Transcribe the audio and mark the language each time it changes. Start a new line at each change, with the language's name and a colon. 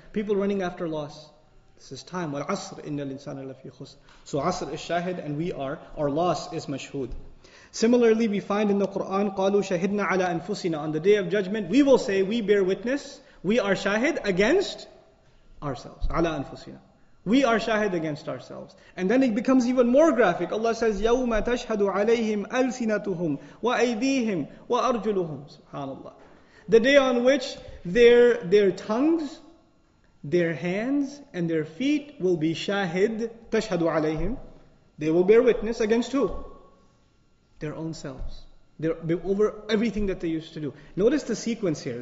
English: People running after loss. This is time.
Arabic: وَالْعَصْرِ إِنَّ الْإِنسَانَ لَفِي خُسْرٍ
English: So asr is shahid and we are, our loss is mashhud. Similarly, we find in the Quran,
Arabic: قَالُوا شَهِدْنَا عَلَىٰ أَنفُسِنَا
English: On the day of judgment, we will say, we bear witness, we are shahid against ourselves.
Arabic: عَلَىٰ أَنفُسِنَا
English: We are shahid against ourselves. And then it becomes even more graphic. Allah says,
Arabic: يَوْمَ تَشْهَدُ عَلَيْهِمْ أَلْسِنَتُهُمْ وَأَيْدِيهِمْ وَأَرْجُلُهُمْ SubhanAllah.
English: The day on which their tongues, their hands and their feet will be shahid,
Arabic: تَشْهَدُ عَلَيْهِمْ
English: They will bear witness against who? Their own selves. Over everything that they used to do. Notice the sequence here.